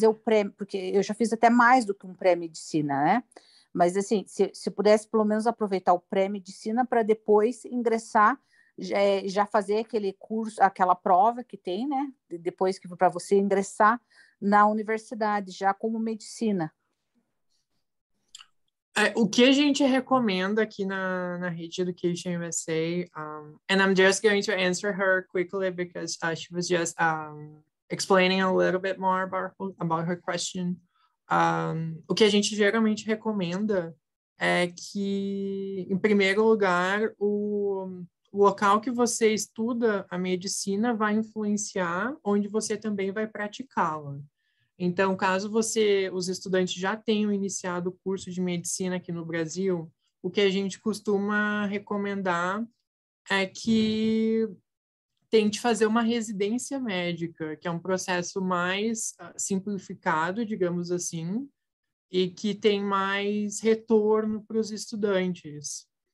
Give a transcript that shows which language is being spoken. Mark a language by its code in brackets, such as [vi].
[pt] fazer o pré, porque eu já fiz até mais do que um pré-medicina, né? Mas assim, se pudesse pelo menos aproveitar o pré-medicina para depois ingressar, já fazer aquele curso, aquela prova que tem, né? Depois que para você ingressar na universidade, já como medicina. O que a gente recomenda aqui na rede EducationUSA, [en] and I'm just going to answer her quickly because she was just explaining a little bit more about her question. [pt] O que a gente geralmente recomenda é que, em primeiro lugar, o local que você estuda a medicina vai influenciar onde você também vai praticá-la. Então, caso os estudantes já tenham iniciado o curso de medicina aqui no Brasil, o que a gente costuma recomendar é que tente fazer uma residência médica, que é um processo mais simplificado, digamos assim, e que tem mais retorno para os estudantes.